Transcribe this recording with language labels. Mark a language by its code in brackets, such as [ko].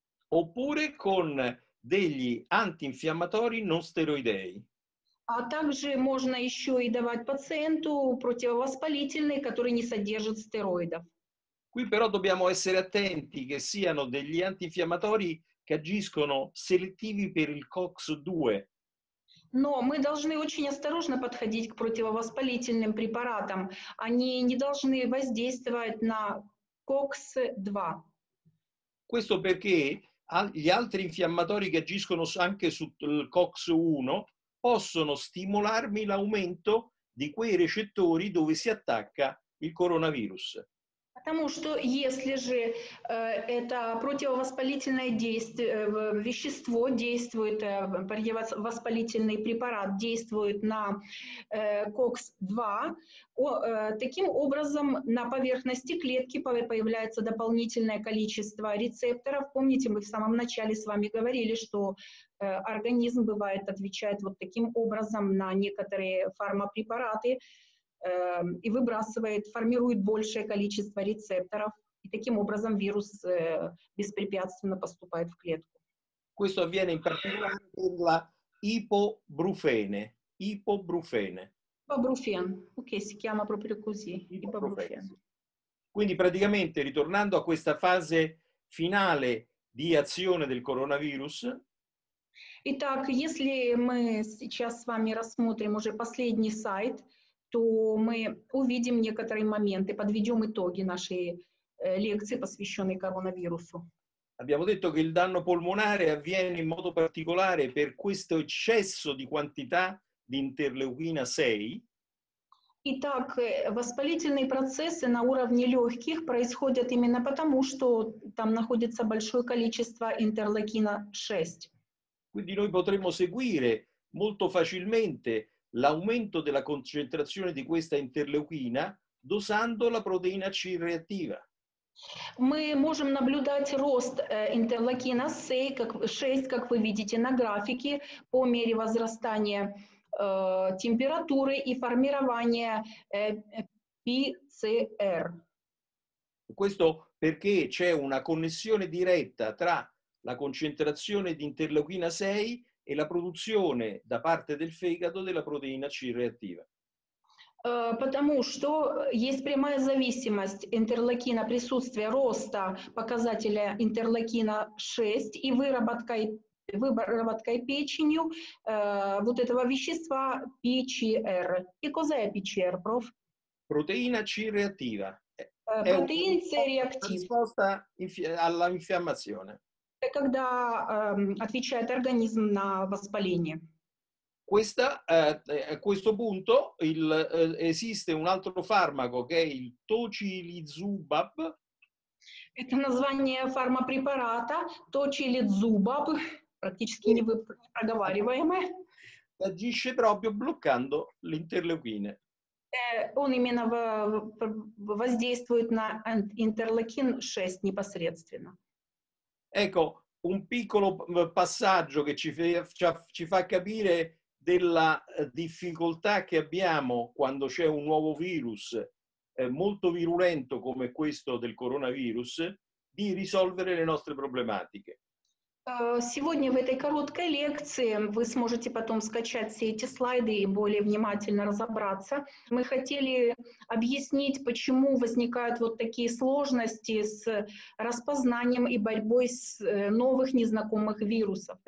[it] Oppure con degli antinfiammatori non steroidei. [ru] А также можно еще и давать пациенту противовоспалительные, которые не содержат стероидов. [it] Qui però dobbiamo essere attenti che siano degli antinfiammatori che agiscono selettivi per il COX-2. [ru] Но мы должны очень осторожно подходить к противовоспалительным препаратам. Они не должны воздействовать на COX-2. [it] Questo perché gli altri infiammatori che agiscono anche sul COX-1 possono stimolarmi l'aumento di quei recettori dove si attacca il coronavirus. [ru] Потому что если же это противовоспалительное действие, вещество действует, противовоспалительный препарат действует на COX-2, таким образом на поверхности клетки появляется дополнительное количество рецепторов. Помните, мы в самом начале с вами говорили, что организм бывает отвечает вот таким образом на некоторые фармапрепараты, и выбрасывает, формирует большее количество рецепторов, и таким образом вирус беспрепятственно поступает в клетку. [it] Questo avviene in particolare per la ipobrufene. Ipobrufen. Ok, si chiama proprio così, ipobrufen. Quindi praticamente ritornando a questa fase finale di azione del coronavirus. [ru] Итак, если мы сейчас с вами рассмотрим уже последний сайт, то мы увидим некоторые моменты, подведем итоги нашей лекции, посвященной коронавирусу. [it] Abbiamo detto che il danno polmonare avviene in modo particolare per questo eccesso di quantità di interleuchina 6. [ru] Итак, воспалительные процессы на уровне легких происходят именно потому, что там находится большое количество интерлокина 6. [it] Quindi noi potremmo seguire molto facilmente l'aumento della concentrazione di questa interleuchina dosando la proteina C reattiva. [ru] Мы можем наблюдать рост интерлокина 6, как вы видите на графике, по мере возрастания температуры и формирования PCR. [it] Questo perché c'è una connessione diretta tra la concentrazione di interleuchina 6 e la produzione da parte del fegato della proteina C reattiva. [ru] Потому что есть прямая зависимость интерлокина, присутствие роста показателя интерлокина 6 и выработкой печенью вот этого вещества PCR. [it] И cos'è PCR, prof? Proteina C reattiva. Proteina C reattiva. Risposta all'infiammazione. [ru] È когда отвечает организм на воспаление. [it] Questa, a questo punto esiste un altro farmaco che è il tocilizumab. [ru] Это название фармапрепарата tocilizumab, практически непроговариваемое. [it] Agisce proprio bloccando l'interleuchina. [ru] Он именно воздействует на интерлокин 6 непосредственно. [it] Ecco, un piccolo passaggio che ci fa capire della difficoltà che abbiamo quando c'è un nuovo virus molto virulento come questo del coronavirus di risolvere le nostre problematiche. [ru] Сегодня в этой короткой лекции вы сможете потом скачать все эти слайды и более внимательно разобраться. Мы хотели объяснить, почему возникают вот такие сложности с распознанием и борьбой с новых незнакомых вирусов.